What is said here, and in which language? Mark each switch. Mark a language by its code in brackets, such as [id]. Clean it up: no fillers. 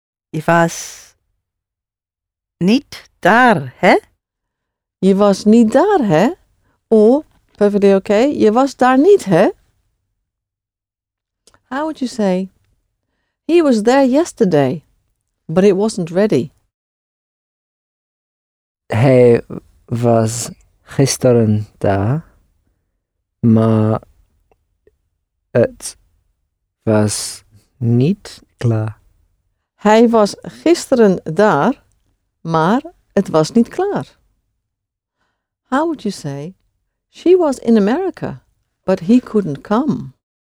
[nl] Je was niet daar, hè? Je was niet daar, hè? [en] Or, perfectly okay, [nl] je was daar niet, hè? [en] How would you say, he was there yesterday, but it wasn't ready? [nl] Hij was gisteren daar, maar het was niet klaar. Hij was gisteren daar, maar het was niet klaar. [en] How would you say, she was in America, but he couldn't come?